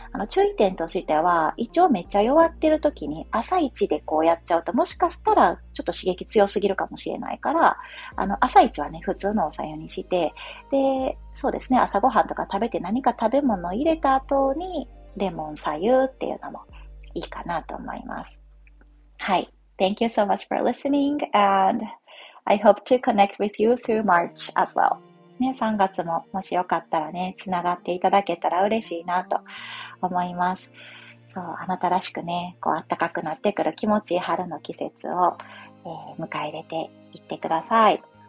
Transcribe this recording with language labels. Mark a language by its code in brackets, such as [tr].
[ja] 注意点としては、胃腸めっちゃ弱ってる時に朝一でこうやっちゃうと、もしかしたらちょっと刺激強すぎるかもしれないから、朝一はね、普通のおさゆにして、で、そうですね、朝ごはんとか食べて何か食べ物を入れた後に、レモンさゆっていうのもいいかなと思います。はい。 [en] Thank you so much for listening and I hope to connect with you through March as well. [ja] ね、3月ももしよかったらね、つながっていただけたら嬉しいなと思います。そう、あなたらしくね、こう暖かくなってくる気持ちいい春の季節を、迎え入れていってください。